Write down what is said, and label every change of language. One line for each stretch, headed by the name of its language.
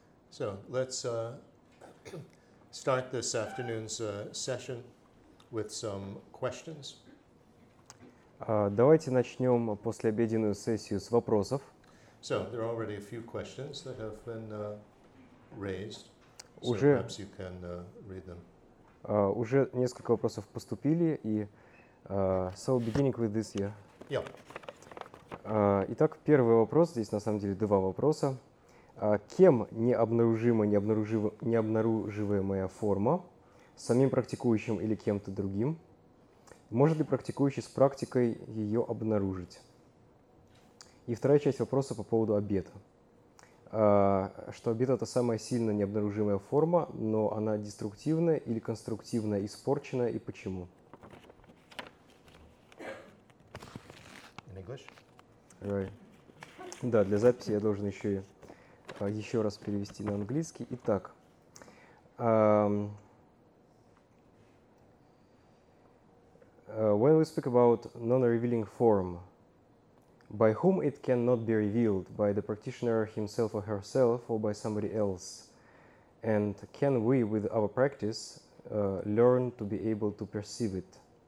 English: So let's start this afternoon's session with some questions.
Russian: Давайте начнем после обеденную сессию с вопросов.
English: So there are already a few questions that have been raised. Уже, so perhaps you can read them.
Russian: Уже несколько вопросов поступили, и
English: so beginning with this year. Yeah.
Russian: Итак, первый вопрос, здесь на самом деле два вопроса. Кем необнаружимая, необнаруживаемая форма, самим практикующим или кем-то другим? Может ли практикующий с практикой ее обнаружить? И вторая часть вопроса по поводу обета. Что обета – это самая сильно необнаружимая форма, но она деструктивная или конструктивная, испорченная, и почему?
English: In English? Right.
Russian: Да, для записи я должен еще и... еще раз перевести на английский.
English: Итак, when we speak about non-revealing form, by whom it cannot be revealed, by the practitioner himself or herself, or by somebody else, and can we, with our practice, learn to be able to perceive it?